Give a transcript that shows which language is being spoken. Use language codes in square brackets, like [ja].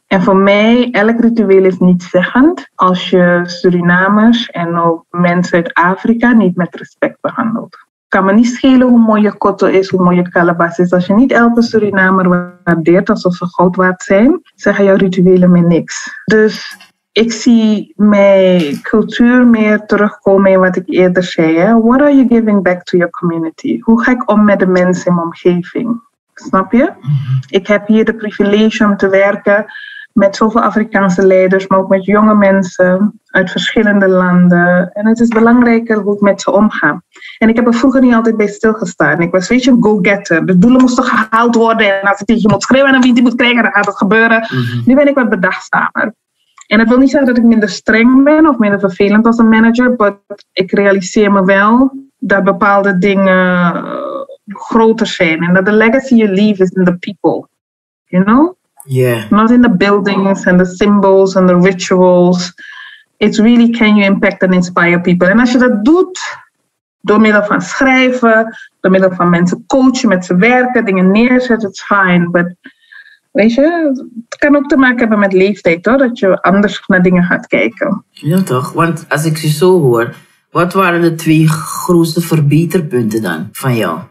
[nl] En voor mij, elk ritueel is niet zeggend als je Surinamers en ook mensen uit Afrika niet met respect behandelt. Het kan me niet schelen hoe mooi je kotto is, hoe mooi je kalabas is. Als je niet elke Surinamer waardeert alsof ze goud waard zijn, zeggen jouw rituelen me niks. Dus ik zie mijn cultuur meer terugkomen in wat ik eerder zei. Hè? [en] What are you giving back to your community? [nl] Hoe ga ik om met de mensen in mijn omgeving? Snap je? Mm-hmm. Ik heb hier de privilege om te werken met zoveel Afrikaanse leiders, maar ook met jonge mensen uit verschillende landen. En het is belangrijker hoe ik met ze omga. En ik heb er vroeger niet altijd bij stilgestaan. Ik was, weet je, een go-getter. De doelen moesten gehaald worden. En als ik tegen je moet schreeuwen en wie die moet krijgen, dan gaat het gebeuren. Mm-hmm. Nu ben ik wat bedachtzamer. En dat wil niet zeggen dat ik minder streng ben of minder vervelend als een manager. Maar ik realiseer me wel dat bepaalde dingen groter zijn. En dat de [en] legacy you leave is in the people. You know? Yeah. Not in the buildings and the symbols and the rituals. It's really, can you impact and inspire people? [nl] En als je dat doet, door middel van schrijven, door middel van mensen coachen, met ze werken, dingen neerzetten, [en] it's fine. [nl] But, weet je, het kan ook te maken hebben met leeftijd, hoor, dat je anders naar dingen gaat kijken. Ja, toch? Want als ik je zo hoor, wat waren de twee grootste verbeterpunten dan van jou?